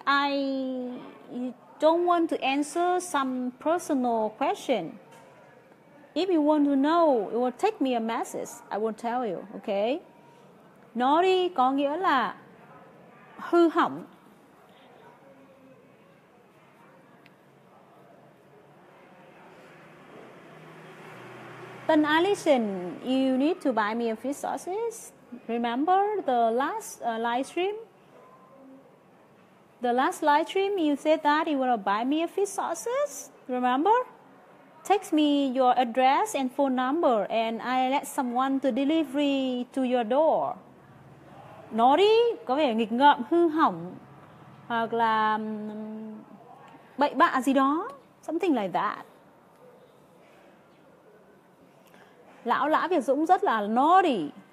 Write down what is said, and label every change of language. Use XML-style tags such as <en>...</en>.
<en>I don't want to answer some personal question. If you want to know, it will take me a message. I will tell you, okay?</en> <vi>Naughty có nghĩa là hư hỏng.</vi> <en>Then Alison, you need to buy me a few sauces. Remember the last live stream? The last live stream, you said that you want to buy me a few sauces. Remember? Text me your address and phone number, and I let someone to delivery to your door.</en> <vi>Naughty, có vẻ nghịch ngợm, hư hỏng, hoặc là bậy bạ gì đó,</vi> <en>something like that.</en> <vi>Lão Lã Việt Dũng rất là naughty.</vi>